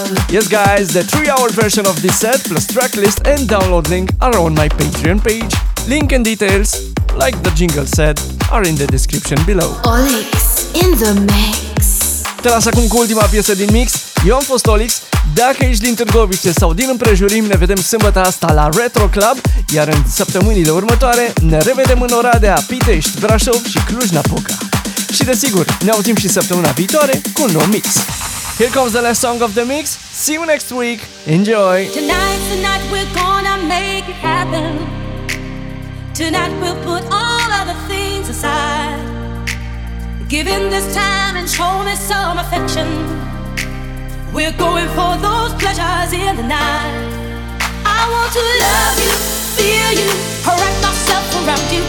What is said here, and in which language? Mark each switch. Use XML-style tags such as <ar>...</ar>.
<en>Yes guys, the 3-hour version of this set plus tracklist and download link are on my Patreon page. Link and details, like the jingle said, are in the description below. OLiX in the mix.</en> <ro>Te las acum cu ultima piesă din mix. Eu am fost OLiX. Dacă ești din Târgoviște sau din împrejurim, ne vedem sâmbătă asta la Retro Club, iar în săptămânile următoare ne revedem în Oradea, Pitești, Brașov și Cluj-Napoca. Și desigur, ne auzim și săptămâna viitoare cu un nou mix.</ro> <en>Here comes the last song of the mix. See you next week. Enjoy! Tonight's the night we're gonna make it happen. Tonight we'll put all other things aside. Give in this time and show me some affection. We're going for those pleasures in the night. I want to love you, feel you, wrap myself around you.</en>